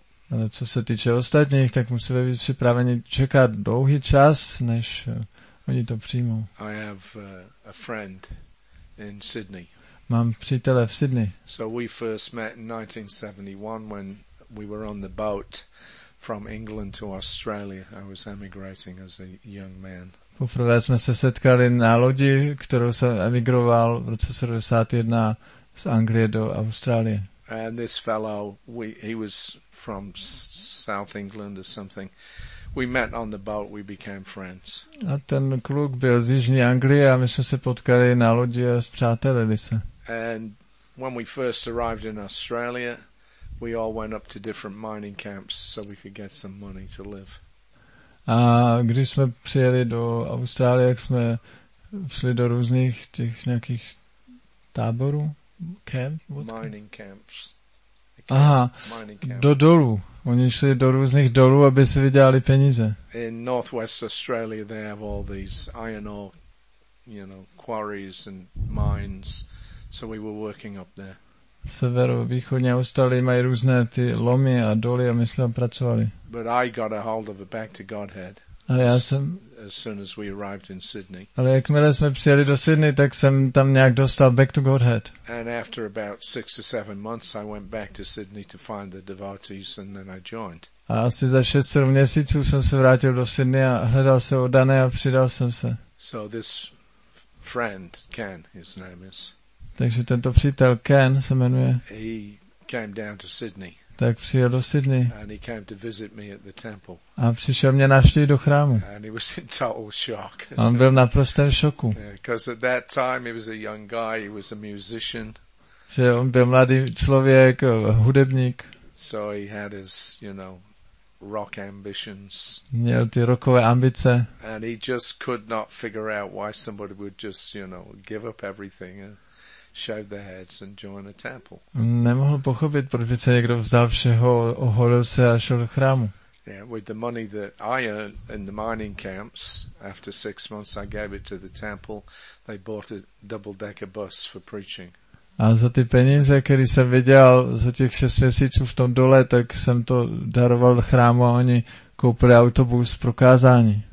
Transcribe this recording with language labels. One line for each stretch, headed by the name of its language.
Czech: Ale co se týče ostatních, tak musíme být připraveni čekat dlouhý čas, než oni to přijmou.
English: I have a friend in Sydney.
Czech: Mám přítele v Sydney.
English: So we first met in 1971 when we were on the boat from England to Australia. I was emigrating as a young man.
Czech: Poprvé jsme se setkali na lodi, kterou jsem emigroval v roce 71 z Anglie do Austrálie.
English: And this fellow, he was from South England or something. We met on the boat, we became friends.
Czech: A ten kluk byl z jižní Anglie a my jsme se potkali na lodi a spřátelili se.
English: And when we first arrived in Australia, we all went up to different mining camps so we could get some money to live.
Czech: A když jsme přijeli do Austrálie, jak jsme šli do různých těch nějakých táborů,
English: mining camps.
Czech: Aha, do dolů. Oni šli do různých dolů, aby si vydělali peníze.
English: In northwest Australia they have all these iron ore, you know, quarries and mines. So we were working up there.
Czech: Severovýchodně Australie mají různé ty lomy a doly a my jsme tam pracovali.
English: But I got a hold of a back to Godhead.
Czech: A já jsem,
English: as soon as we arrived in Sydney.
Czech: Ale jakmile jsme přijeli do Sydney, tak jsem tam nějak dostal back to Godhead.
English: And after about 6 or 7 months, I went back to Sydney to find the devotees, and then I joined.
Czech: A asi za 6 měsíců jsem se vrátil do Sydney a hledal se Odané a přidal jsem se.
English: So this friend Ken, his name is.
Czech: Takže tento přítel Ken se jmenuje.
English: He came down to Sydney.
Czech: Tak přijel do Sydney.
English: And he came to visit me at the temple.
Czech: A přišel mě navštívit do chrámu.
English: And he was in total shock.
Czech: On byl naprosto v šoku.
English: Because at that time he was a young guy, he was a musician.
Czech: Že on byl mladý člověk, hudebník.
English: So he had his, you know, rock ambitions.
Czech: Měl ty rockové ambice.
English: And he just could not figure out why somebody would just, you know, give up everything. shaved their heads and joined a temple.
Czech: Nemohl pochopit, proč by se někdo vzdal všeho, oholil se a šel do chrámu.
English: Yeah, with the money that I earned in the mining camps, after 6 months I gave it to the temple, they bought a double-decker bus for preaching.
Czech: A za ty peníze, které jsem vydělal za těch 6 měsíců v tom dole, tak jsem to daroval chrámu a oni koupili autobus pro kázání.